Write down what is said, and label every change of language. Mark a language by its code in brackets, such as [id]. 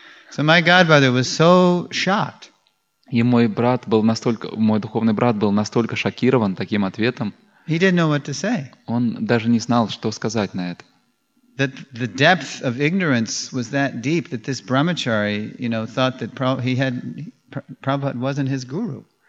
[en] So my godbrother was so shocked. [ru] И мой духовный брат был настолько шокирован таким ответом. [en] He didn't know what to say. [ru] Он даже не знал, что сказать на это. [en] That the depth of ignorance was that deep that this brahmachari, you know, thought that Prabhupada wasn't his guru.